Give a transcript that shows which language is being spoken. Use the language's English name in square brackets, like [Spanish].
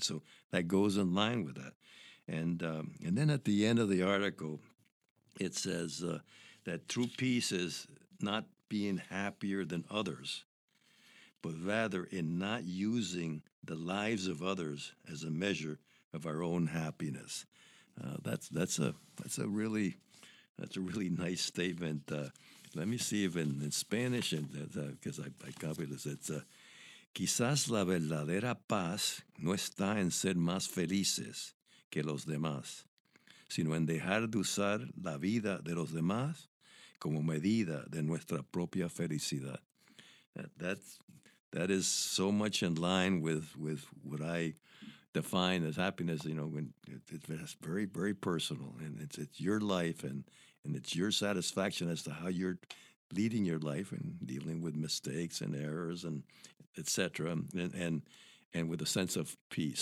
[English] So that goes in line with that. And then at the end of the article, it says that true peace is not being happier than others, but rather in not using the lives of others as a measure of our own happiness. That's a really nice statement. Let me see if in Spanish, because I copied this, it's [Spanish] quizás la verdadera paz no está en ser más felices que los demás, sino en dejar de usar la vida de los demás como medida de nuestra propia felicidad. [English] That is so much in line with what I define as happiness. You know, when it's very, very personal, and it's your life, and it's your satisfaction as to how you're leading your life and dealing with mistakes and errors and et cetera, and with a sense of peace.